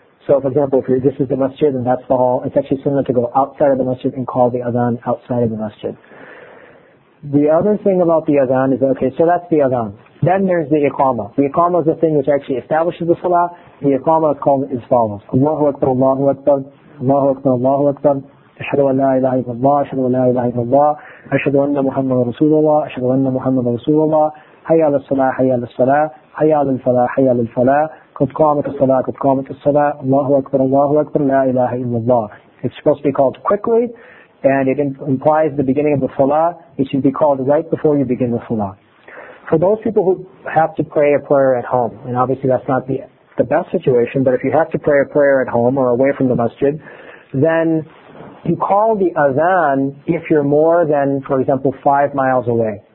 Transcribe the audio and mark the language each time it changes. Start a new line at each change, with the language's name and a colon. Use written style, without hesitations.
English: So for example, if this is the masjid and that's the hall, it's actually sunnah to go outside of the masjid and call the adhan outside of the masjid. The other thing about the adhan is, okay, so that's the adhan. Then there's the iqamah. The iqamah is the thing which actually establishes the salah. The iqamah is called as follows.
Arabic: Allahu Akbar, Allahu Akbar, Allahu Akbar, Allahu Akbar. أشهد أن لا إله إلا الله أشهد أن لا إله إلا الله أشهد أن محمد رسول الله أشهد أن محمد رسول الله حي على الصلاة حي على الصلاة حي على الفلاح حي على الفلاح قد قامت الصلاة قد قامت الصلاة الله أكبر الله أكبر لا إله إلا الله.
English: It's supposed to be called quickly, and it implies the beginning of the salah. It should be called right before you begin the salah. For those people who have to pray a prayer at home, and obviously that's not the best situation, but if you have to pray a prayer at home or away from the masjid, then you call the adhan if you're more than, for example, 5 miles away.